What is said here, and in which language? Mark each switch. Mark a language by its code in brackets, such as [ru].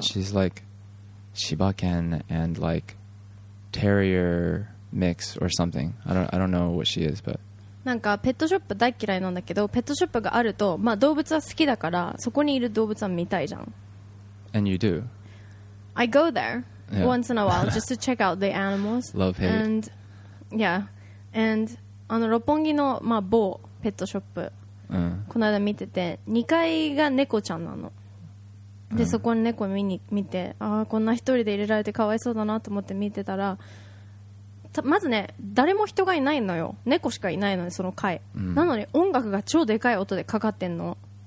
[en] She's like Shiba Ken and like terrier mix or something. I don't know what she is, but [ja] なんかペットショップ大嫌いなんだけど、ペットショップがあると、まあ動物は好きだから、そこにいる動物は見たいじゃん。 [en] And you do. I go there、yeah. once in a while just to check out the animals. Love hate. And yeah. [ja] And あの六本木の、まあ、某ペットショップ、この間見てて、2階が猫ちゃんなので、そこに猫見て、あ、こんな一人で入れられてかわいそうだなと思って見てたら、まずね、誰も人がいないのよ、猫しかいないのに、その階、なのに音楽が超でかい音でかかってんの。